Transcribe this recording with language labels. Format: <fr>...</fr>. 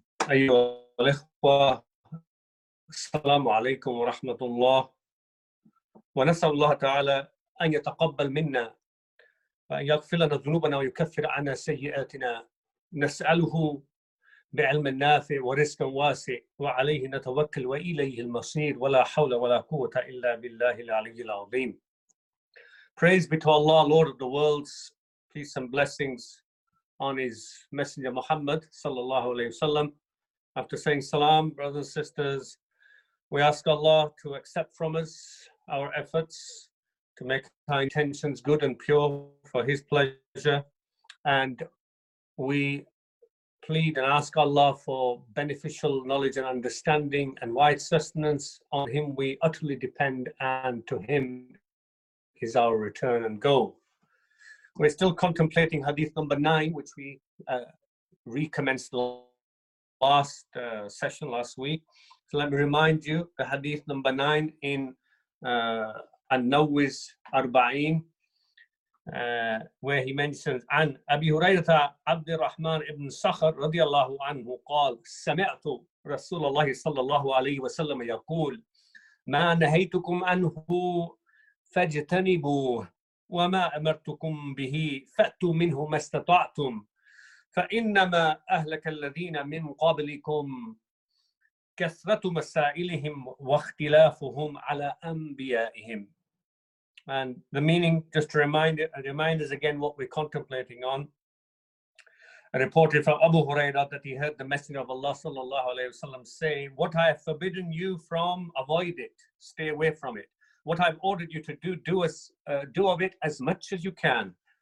<ar>أيها الإخوة السلام عليكم ورحمة الله ونسأل الله تعالى أن يتقبل منا وأن يغفر لنا ذنوبنا ويكفر عنا سيئاتنا نسأله بعلم النافع ورزق واسع وعليه نتوكل وإليه المصير ولا حول ولا قوة إلا بالله العلي العظيم.</ar> <en>Praise be to Allah, Lord of the worlds. Peace and blessings on His Messenger Muhammad sallallahu alayhi wasallam. After saying salam, brothers and sisters, we ask Allah to accept from us our efforts to make our intentions good and pure for His pleasure, and we plead and ask Allah for beneficial knowledge and understanding and wide sustenance. On Him we utterly depend, and to Him is our return and goal. We're still contemplating hadith number 9, which we recommenced last session last week. So let me remind you, the hadith number 9 in An-Nawwiz Arba'een, where he mentions,</en> <ar>عن أبي هريرة عبد الرحمن بن صخر رضي الله عنه قال سمعت رسول الله صلى الله عليه وسلم يقول ما نهيتكم عنه فاجتنبوه وما أمرتكم به فأتوا منه ما استطعتم فإنما أهلك الذين من قبلكم كثرة مسائلهم واختلافهم على أنبيائهم.</ar> <en>And the meaning, just to remind us again what we're contemplating on. A reported from Abu Hurairah that he heard the Messenger of Allah sallallahu alayhi wa sallam say, what I have forbidden you from, avoid it, stay away from it. What I've ordered you to do, do of it as much as you can.</en>